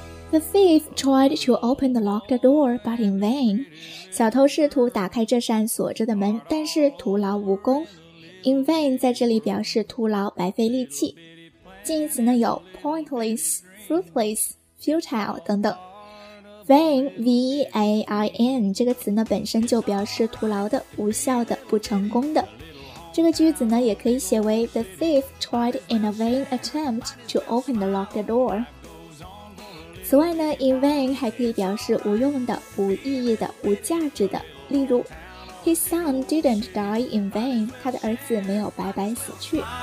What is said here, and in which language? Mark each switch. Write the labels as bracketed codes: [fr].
[en] The thief tried to open the locked door, but in vain. [zh] 小偷试图打开这扇锁着的门，但是徒劳无功。 In vain 在这里表示徒劳、白费力气。近义词呢有 pointless, fruitless, futile 等等。 Vain, V-A-I-N 这个词呢本身就表示徒劳的、无效的、不成功的。这个句子呢也可以写为 [en] The thief tried in a vain attempt to open the locked door. [zh] 此外呢 in vain 还可以表示无用的、无意义的、无价值的。例如 [en] His son didn't die in vain， [zh] 他的儿子没有白白死去。